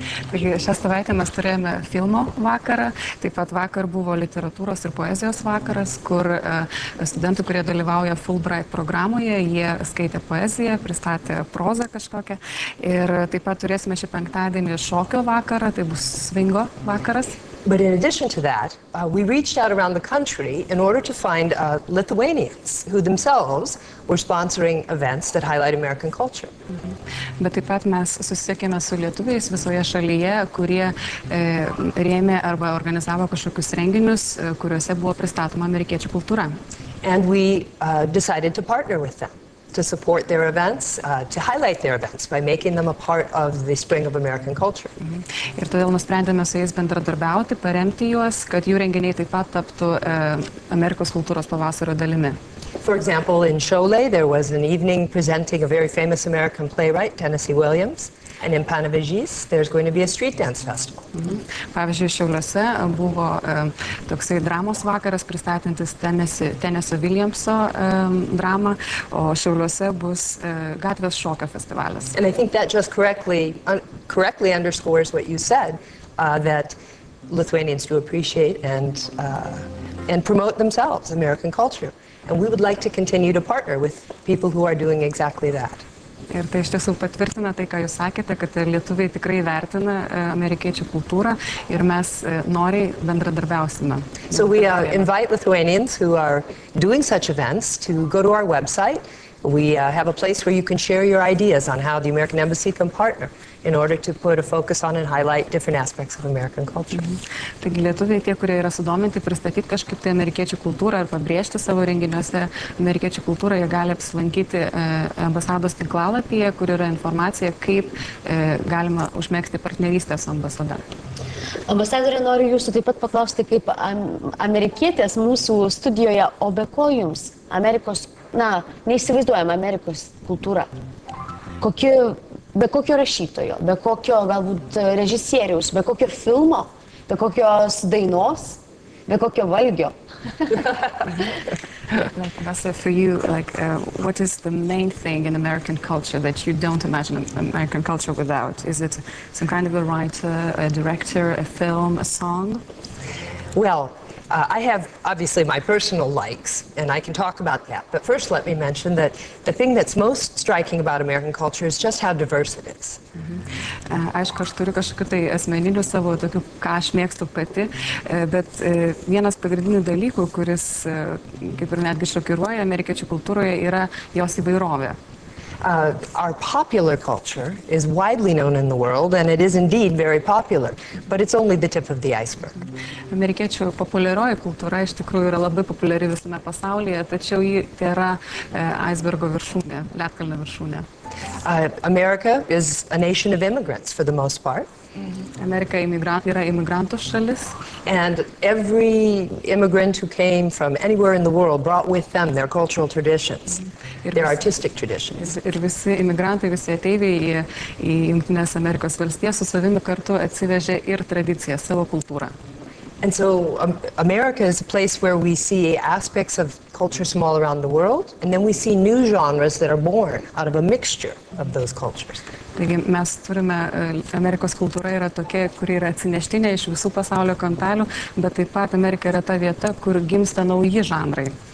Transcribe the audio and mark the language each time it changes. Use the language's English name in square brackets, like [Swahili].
[Lithuanian] Taigi šią savaitę mes turėjome filmo vakarą, taip pat vakar buvo literatūros ir poezijos vakaras, kur studentų, kurie dalyvauja Fulbright programoje, jie skaitė poeziją, pristatė prozą kažkokią ir taip pat turėsime šį penktadienį šokio vakarą, tai bus svingo vakaras. [English] But in addition to that, we reached out around the country in order to find Lithuanians who themselves were sponsoring events that highlight American culture. [Lithuanian] Bet taip pat mes susisiekėme su lietuviais visoje šalyje, kurie rėmė arba organizavo kažkokius renginius, kuriuose buvo pristatoma amerikiečių kultūra. [English] And we decided to partner with them to support their events, to highlight their events by making them a part of the spring of American culture. [Lithuanian] Ir todėl nusprendėme su jais bendradarbiauti, paremti juos, kad jų renginiai taip pat taptų Amerikos kultūros pavasario dalimi. [English] For example, in Šiauliai there was an evening presenting a very famous American playwright, Tennessee Williams, and in Panevėžys there's going to be a street dance festival. [Lithuanian] Pavyzdžiui, Šiauliuose buvo toksai dramos vakaras pristatantis Tennessee Williamso dramą, o Šiauliuose bus gatvės šokio festivalis. [English] And I think that just correctly underscores what you said, that Lithuanians do appreciate and promote themselves American culture. And we would like to continue to partner with people who are doing exactly that. [Lithuanian] Ir tai iš tiesų patvirtina tai, ką jūs sakėte, kad lietuviai tikrai vertina amerikiečių kultūrą ir mes noriai bendradarbiausime. [English] So we invite Lithuanians who are doing such events to go to our website. We have a place where you can share your ideas on how the American Embassy can partner in order to put a focus on and highlight different aspects of American culture. [Lithuanian] Taigi lietuviai tie, kurie yra sudominti pristatyti kažkaip tai amerikiečių kultūrą ar pabrėžti savo renginiuose amerikiečių kultūrą, jie gali apsilankyti ambasados tinklalapyje, kur yra informacija, kaip galima užmėgsti partnerystę su ambasada. Ambasadorė, noriu jūsų taip pat paklausti, kaip amerikietės mūsų studijoje, o be ko jums Amerikos, na, neįsivaizduojama Amerikos kultūra. Kokie, be kokio rašytojo, be kokio galbūt režisieriaus, be kokio filmo, be kokios dainos, be kokio valgio. [English] Like, Vasa, for you, like, what is the main thing in American culture that you don't imagine American culture without? Is it some kind of a writer, a director, a film, a song? Well, I have obviously my personal likes, and I can talk about that. But first, let me mention that the thing that's most striking about American culture is just how diverse it is. [Lithuanian] Aišku, aš turiu kažkokiu tai asmeniniu savo, tokiu, ką aš mėgstu pati, bet vienas pagrindinių dalykų, kuris kaip ir netgi šokiruoja amerikiečių kultūroje, yra jos įvairovė. [English] Our popular culture is widely known in the world, and it is indeed very popular, but it's only the tip of the iceberg. [Lithuanian] Amerikiečių populiarioji kultūra iš tikrųjų yra labai populiari visame pasaulyje, tačiau ji yra aisbergo viršūnė, ledkalnio viršūnė. [English] America is a nation of immigrants for the most part. [Lithuanian] Amerika yra imigrantų šalis. [English] And every immigrant who came from anywhere in the world brought with them their cultural traditions, their artistic traditions. [Lithuanian] Ir visi imigrantai, visi ateiviai į Jungtinės Amerikos valstijas su savimi kartu atsivežė ir tradiciją, savo kultūrą. [English] And so America is a place where we see aspects of cultures from all around the world, and then we see new genres that are born out of a mixture of those cultures. [Lithuanian] Taigi mes turime, Amerikos kultūra yra tokia, kuri yra atsineštinė iš visų pasaulio kampelių, bet taip pat Amerika yra ta vieta, kur gimsta nauji žanrai.